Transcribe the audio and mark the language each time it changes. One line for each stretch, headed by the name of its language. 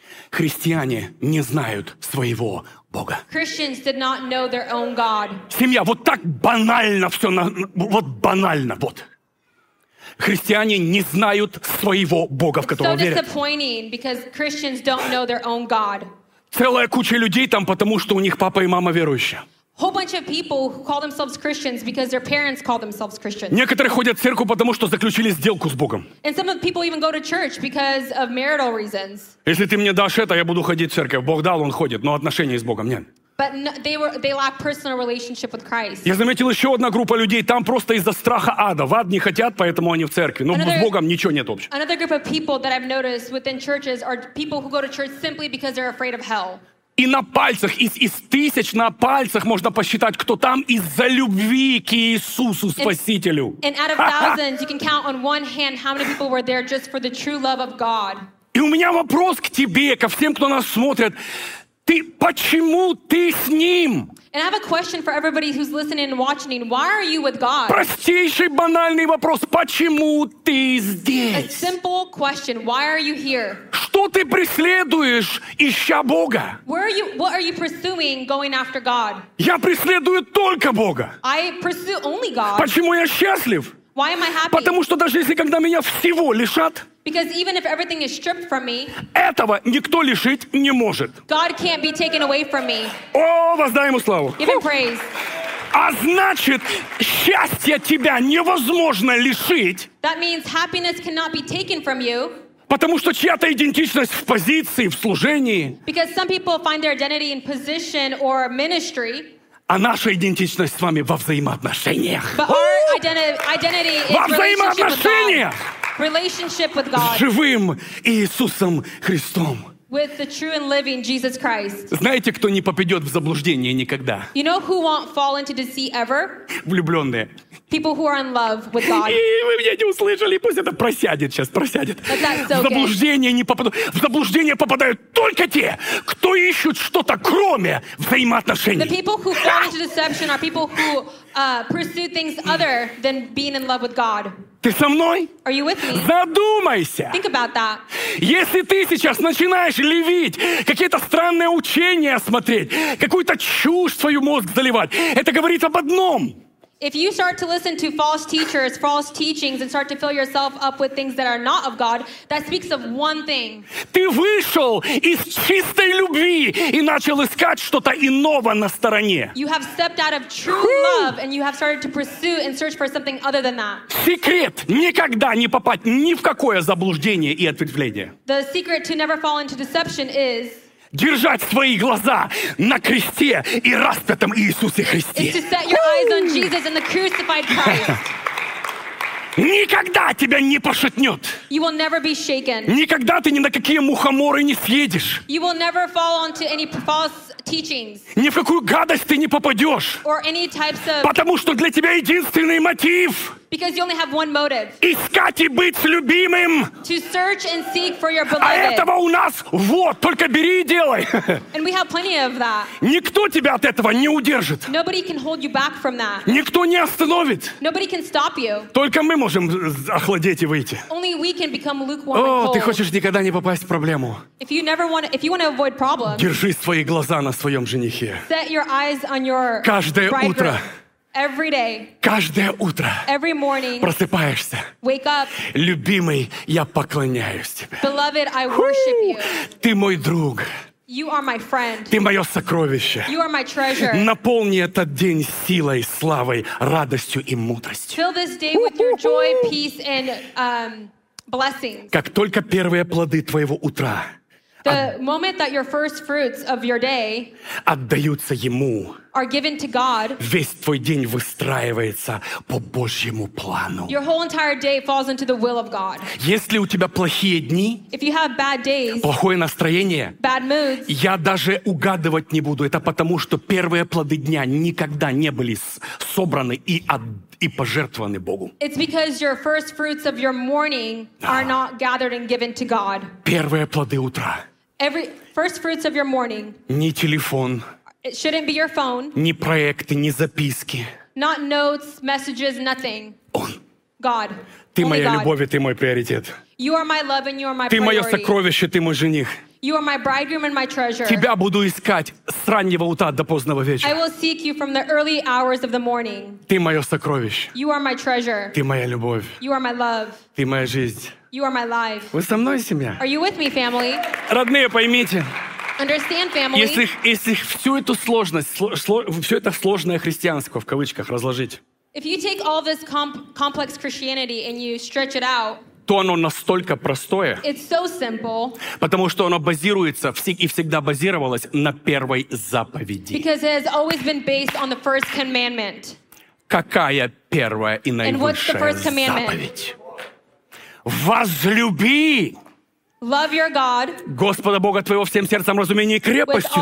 Russian: Христиане не знают своего Бога.
English: Christians did not know their own God.
Russian: Семья, вот так банально все, вот банально, вот. Христиане не знают своего Бога, в которого верят.
English: It's so disappointing because Christians don't know their own God.
Russian: Целая куча людей там, потому что у них папа и мама верующие.
English: Whole bunch of people who call themselves Christians because their parents call themselves Christians.
Russian: Некоторые ходят в церковь, потому что заключили сделку с Богом.
English: And some of people even go to church because of marital reasons.
Russian: Если ты мне дашь это, я буду ходить в церковь. Бог дал, он ходит, но отношения с Богом нет.
English: But they lack personal relationship with Christ.
Russian: Я заметил еще одна группа людей, там просто из-за страха ада. В ад не хотят, поэтому они в церкви. Но с Богом ничего нет общего.
English: Another group of people that I've noticed within churches are people who go to church simply because they're afraid of hell.
Russian: И на пальцах, из тысяч на пальцах можно посчитать, кто там из-за любви к Иисусу Спасителю.
English: And out of thousands, you can count on one hand how many people were there just for the true love of God.
Russian: И у меня вопрос к тебе, ко всем, кто нас смотрит. Почему ты с ним?
English: And I have a question for everybody who's listening and watching. Why are you with God?
Russian: Простейший банальный вопрос. Почему ты здесь?
English: A simple question. Why are you here?
Russian: Что ты преследуешь, ища Бога?
English: What are you pursuing going after God?
Russian: Я преследую только Бога.
English: I pursue only God.
Russian: Почему я счастлив?
English: Why am I happy?
Russian: Потому что даже если когда меня всего лишат,
English: because even if everything is stripped from me,
Russian: этого никто лишить не может.
English: God can't be taken away from me.
Russian: О, воздай ему славу.
English: Give him praise.
Russian: А значит, счастье тебя невозможно лишить.
English: That means happiness cannot be taken from you.
Russian: Потому что чья-то идентичность в позиции, в служении.
English: Because some people find their identity in position or ministry.
Russian: А наша идентичность с вами во взаимоотношениях.
English: But our identity is
Russian: во взаимоотношениях.
English: Relationship with God.
Russian: С живым Иисусом Христом.
English: With the true and living Jesus Christ.
Russian: Знаете, кто не попадет в заблуждение никогда?
English: You know who won't fall into deceit ever?
Russian: Влюбленные.
English: People who are in love with God.
Russian: И вы меня не услышали, пусть это просядет сейчас, просядет.
English: But that's okay.
Russian: В заблуждение не попадут. В заблуждение попадают только те, кто ищут что-то кроме взаимоотношений.
English: The people who fall into deception are people who pursue things other than being in love with God.
Russian: Ты со мной?
English: Are you with me?
Russian: Задумайся.
English: Think about that.
Russian: Если ты сейчас начинаешь левить, какие-то странные учения смотреть, какую-то чушь в свой мозг заливать, это говорит об одном.
English: If you start to listen to false teachers, false teachings, and start to fill yourself up with things that are not of God, that speaks of one thing.
Russian: Ты вышел из чистой любви и начал искать что-то иного на стороне.
English: You have stepped out of true love, and you have started to pursue and search for something other than that.
Russian: Секрет никогда не попасть ни в какое заблуждение и ответвление.
English: The secret to never fall into deception is...
Russian: держать свои глаза на кресте и распятом Иисусе Христе.
English: It's to set your eyes on Jesus and the crucified Christ.
Russian: Никогда тебя не пошатнет.
English: You will never be shaken.
Russian: Никогда ты ни на какие мухоморы не съедешь.
English: You will never fall onto any false teachings.
Russian: Ни в какую гадость ты не попадешь.
English: Or any types of...
Russian: потому что для тебя единственный мотив.
English: Because you only have one motive.
Russian: Искать и быть с любимым.
English: To search and seek for your beloved.
Russian: А этого у нас вот, только бери и делай.
English: And we have plenty of that.
Russian: Никто тебя от этого не удержит.
English: Nobody can hold you back from that.
Russian: Никто не остановит.
English: Nobody can stop you.
Russian: Только мы можем охладеть и выйти.
English: Only we can become lukewarm.
Russian: О, ты хочешь никогда не попасть в проблему.
English: If you want to avoid problems.
Russian: Держи свои глаза на своем женихе.
English: Set your eyes on your bridegroom.
Russian: Каждое утро.
English: Every day.
Russian: Каждое утро.
English: Every morning.
Russian: Просыпаешься.
English: Wake up.
Russian: Любимый, я поклоняюсь тебе.
English: Beloved, I worship you.
Russian: Ты мой друг.
English: You are my friend.
Russian: Ты мое сокровище.
English: You are my treasure.
Russian: Наполни этот день силой, славой, радостью и мудростью.
English: Fill this day with your joy, peace, and blessings.
Russian: Как только первые плоды твоего утра.
English: The moment that your first fruits of your day
Russian: отдаются ему,
English: are given to God,
Russian: весь твой день выстраивается по Божьему плану.
English: Your whole entire day falls into the will of God.
Russian: Если у тебя плохие дни,
English: if you have bad days,
Russian: плохое настроение,
English: bad moods,
Russian: я даже угадывать не буду. Это потому, что первые плоды дня никогда не были собраны и пожертвованы Богу.
English: It's because your first fruits of your morning are not gathered and given to God.
Russian: Первые плоды утра.
English: Every first fruits of your morning.
Russian: Ни телефон.
English: It shouldn't be your phone.
Russian: Ни проекты, ни записки.
English: Not notes, messages, nothing.
Russian: Он.
English: God.
Russian: Ты моя любовь и ты мой приоритет.
English: You are my love and you are my priority.
Russian: Ты мое сокровище, ты мой жених.
English: You are my bridegroom and my treasure.
Russian: Тебя буду искать с раннего утра до позднего вечера.
English: I will seek you from the early hours of the morning.
Russian: Ты мое сокровище.
English: You are my treasure.
Russian: Ты моя любовь.
English: You are my love.
Russian: Ты моя жизнь.
English: You are my life.
Russian: Вы со мной, семья?
English: Are you with me, family?
Russian: Родные, поймите.
English: Understand, family.
Russian: Если всю эту сложность, все это сложное христианство в кавычках разложить.
English: If you take all this complex Christianity and you stretch it out,
Russian: то оно настолько простое,
English: it's so simple,
Russian: потому что оно базируется и всегда базировалось на первой заповеди.
English: Because it has always been based on the first commandment.
Russian: Какая первая и наивысшая заповедь? Возлюби
English: love your God,
Russian: Господа Бога твоего всем сердцем, разумением и крепостью